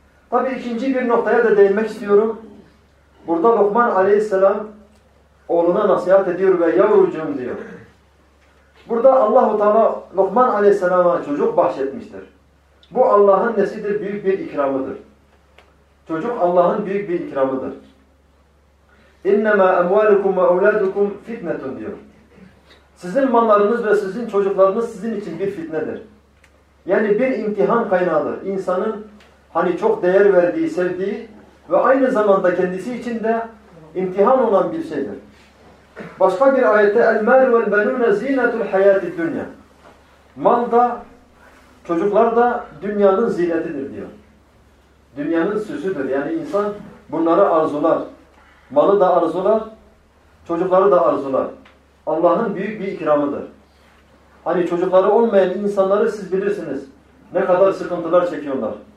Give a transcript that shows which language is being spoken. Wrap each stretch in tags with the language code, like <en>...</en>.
<tr>Tabii ikinci bir noktaya da değinmek istiyorum. Burada Lokman Aleyhisselam oğluna nasihat ediyor ve yavrucuğum diyor. Burada Allah-u Teala Lokman Aleyhisselam'a çocuk bahşetmiştir. Bu Allah'ın nesidir? Büyük bir ikramıdır. Çocuk Allah'ın büyük bir ikramıdır.</tr> <ar>اِنَّمَا اَمْوَالُكُمْ وَاَوْلَادُكُمْ فِتْنَةٌ</ar> <tr>diyor. Sizin mallarınız ve sizin çocuklarınız sizin için bir fitnedir. Yani bir imtihan kaynağıdır. İnsanın hani çok değer verdiği, sevdiği ve aynı zamanda kendisi için de imtihan olan bir şeydir. Başka bir ayette</tr> <ar>اَلْمَالُ وَالْبَنُونَ زِينَةُ الْحَيَاتِ الدُّنْيَا.</ar> <tr>Mal da, çocuklar da dünyanın ziynetidir diyor. Dünyanın süsüdür. Yani insan bunları arzular. Malı da arzular, çocukları da arzular. Allah'ın büyük bir ikramıdır. Hani çocukları olmayan insanları siz bilirsiniz ne kadar sıkıntılar çekiyorlar.</tr>